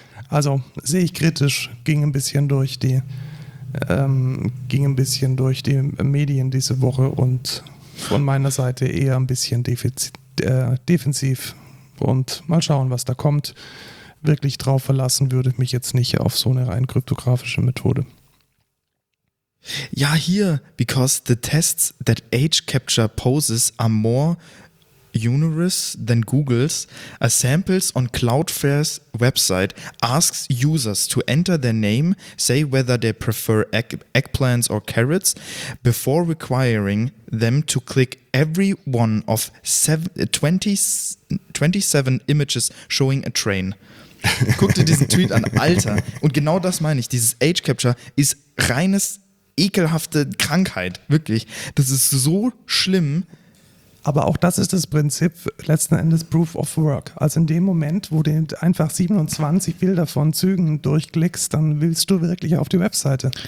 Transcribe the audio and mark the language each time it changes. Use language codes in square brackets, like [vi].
[de] Also sehe ich kritisch, ging ein bisschen durch die Medien diese Woche und von meiner Seite eher ein bisschen defensiv und mal schauen, was da kommt. Wirklich drauf verlassen würde ich mich jetzt nicht auf so eine rein kryptografische Methode. Ja, hier, [en] because the tests that age capture poses are more onerous than Google's, a samples on Cloudflare's website asks users to enter their name, say whether they prefer eggplants or carrots, before requiring them to click every one of 27 images showing a train. [de] Guck dir diesen Tweet an, Alter. Und genau das meine ich, dieses Age Capture ist reines ekelhafte Krankheit, wirklich. Das ist so schlimm. Aber auch das ist das Prinzip letzten Endes Proof of Work. Also in dem Moment, wo du einfach 27 Bilder von Zügen durchklickst, dann willst du wirklich auf die Webseite.